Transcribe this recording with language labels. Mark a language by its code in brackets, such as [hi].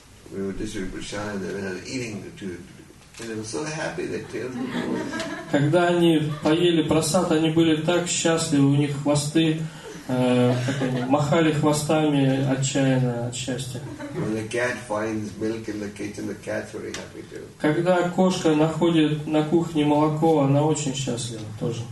[en] We were distributing prasad and they were eating the two, and they were so happy their tails were pulled. [ru] Когда они поели просад, они были так счастливы, у них хвосты махали хвостами отчаянно от счастья. [en] When the cat finds milk in the kitchen, the cat's very happy too. [ru] Когда кошка находит на кухне молоко, она очень счастлива тоже.